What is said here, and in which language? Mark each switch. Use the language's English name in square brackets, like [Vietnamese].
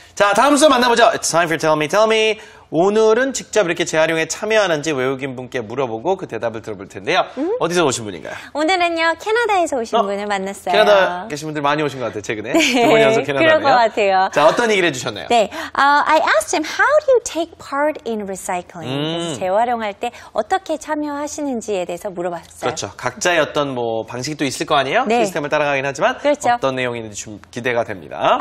[Korean] 자, 다음 수업 만나보죠. [English] It's time for Tell Me, Tell Me. [Korean] 오늘은 직접 이렇게 재활용에 참여하는지 외국인 분께 물어보고 그 대답을 들어볼 텐데요. 어디서 오신 분인가요? 오늘은요, 캐나다에서 오신 분을 만났어요. 캐나다 계신 분들 많이 오신 것 같아요, 최근에. 네, 두 분이 와서 캐나다네요. 그럴 것 같아요. 자, 어떤 얘기를 해주셨나요? 네. [English] I asked him, how do you take part in recycling? [Korean] 재활용할 때 어떻게 참여하시는지에 대해서 물어봤어요. 그렇죠. 각자의 어떤 뭐 방식도 있을 거 아니에요? 네. 시스템을 따라가긴 하지만. 그렇죠. 어떤 내용인지 좀 기대가 됩니다.